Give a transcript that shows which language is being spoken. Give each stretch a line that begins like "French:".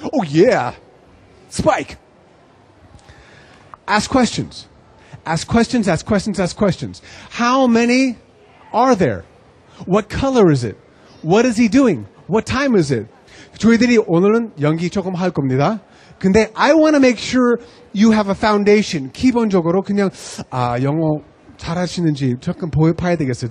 English: Oh yeah. Spike. Ask questions. Ask questions, ask questions, ask questions. How many are there? What color is it? What is he doing? What time is it?
Korean: 저희들이 오늘은 연기 조금 할 겁니다.
English: 근데 I want to make sure you have a foundation.
Korean: 기본적으로 그냥 아 영어 잘하시는지 조금 봐야 되겠어요.